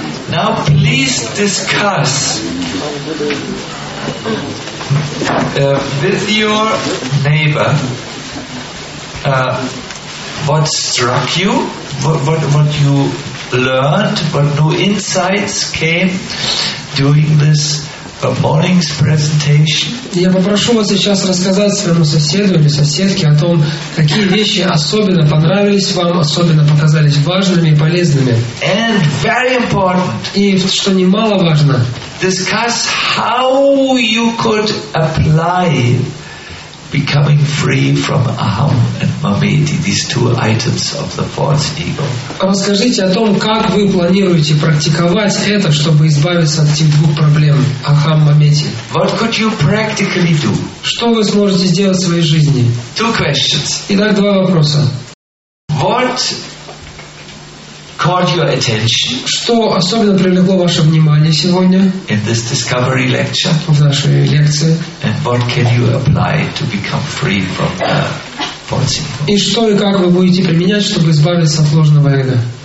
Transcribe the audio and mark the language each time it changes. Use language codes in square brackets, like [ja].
[en] Now please discuss with your neighbor what struck you, what you learned, what new insights came during this morning's presentation. [ru] Я попрошу вас сейчас рассказать своему соседу или соседке о том, какие вещи особенно понравились вам, особенно показались важными и полезными. [en] And very important. [ru] И что немаловажно. [en] Discuss how you could apply becoming free from aham and mamedi, these two items of the false ego. [ru] Расскажите о том, как вы планируете практиковать это, чтобы избавиться от этих двух проблем, aham, mamedi. [en] What could you practically do? [ru] Что вы сможете сделать в своей жизни? [en] Two questions. [ru] Итак, два вопроса. [en] What caught your attention? [ru] Что особенно привлекло ваше внимание сегодня? [en] In this discovery lecture. [ru] В нашей лекции. [en] And what can you apply to become free from the false ego? [ru] И что и как вы будете применять, чтобы избавиться от ложного эго?